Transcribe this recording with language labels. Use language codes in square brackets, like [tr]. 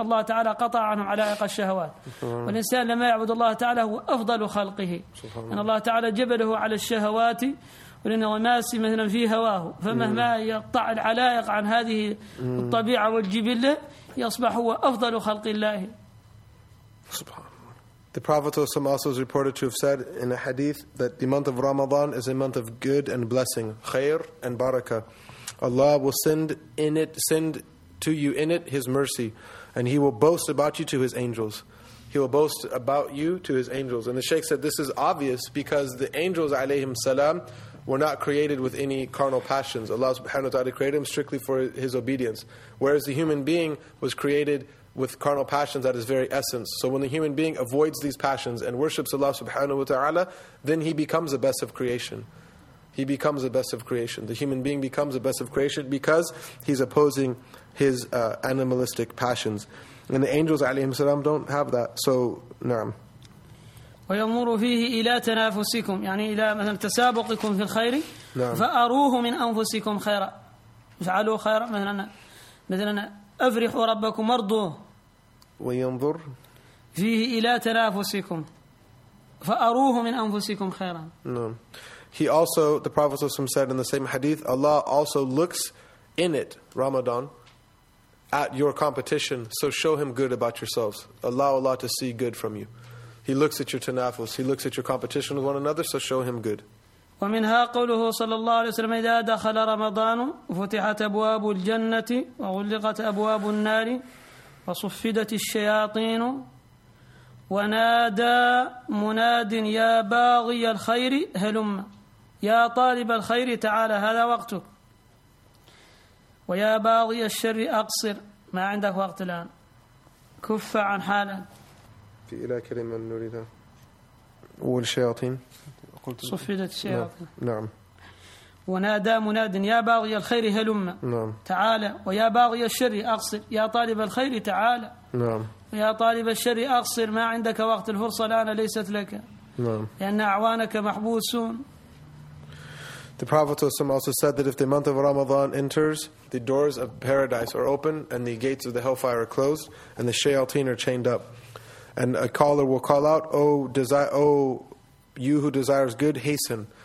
[ar] الله تعالى قطع عنهم علائق الشهوات. والإنسان لما يعبد الله تعالى هو أفضل خلقه. سبحان الله. أن الله تعالى جبله على الشهوات، ولأنه ماسي مثلا في هواه، فمهما يقطع العلائق عن هذه الطبيعة والجبلة يصبح هو أفضل خلق الله. سبحان. [en] The Prophet ﷺ also is reported to have said in a hadith that the month of Ramadan is a month of good and blessing, khair and barakah. Allah will send to you in it His mercy. and he will boast about you to his angels. He will boast about you to his angels. And the Shaykh said this is obvious because the angels, alayhim salam, were not created with any carnal passions. Allah subhanahu wa ta'ala created him strictly for his obedience. Whereas the human being was created with carnal passions at his very essence. So when the human being avoids these passions and worships Allah subhanahu wa ta'ala, then he becomes the best of creation. He becomes the best of creation. The human being becomes the best of creation because he's opposing his animalistic passions. And the angels, alayhim salam, don't have that. So, na'am. [ar] ويمر فيه إلى تنافسكم يعني إلى مثلا تسابقكم في الخير نعم. فأروه من أنفسكم خيرا افعلوا خيرا مثلا أفرحوا ربكم وارضوه وينظر فيه إلى تنافسكم فأروه من أنفسكم خيرا نعم. [en] He also, the Prophet ﷺ said in the same hadith, Allah also looks in it, Ramadan, at your competition, so show him good about yourselves. Allow Allah to see good from you. He looks at your tanafus. He looks at your competition with one another, so show him good. [ar] ومنها قوله صلى الله عليه وسلم إذا دخل رمضان فتحت أبواب الجنة وغلقت أبواب النار وصفدت الشياطين ونادى مناد يا باغي الخير هلم يا طالب الخير تعالى هذا وقتك ويا باغي الشر أقصر ما عندك وقت الآن كف عن حالك في إلى كلمة نريدها والشياطين قلت صفدت الشياطين نعم ونادى مناد يا باغي الخير هلم نعم تعالى ويا باغي الشر أقصر يا طالب الخير تعالى نعم ويا طالب الشر أقصر ما عندك وقت الفرصة الآن ليست لك نعم لأن أعوانك محبوسون. [en] The Prophet ﷺ also said that if the month of Ramadan enters, the doors of paradise are open and the gates of the hellfire are closed and the shayateen are chained up. And a caller will call out, O you who desires good, hasten.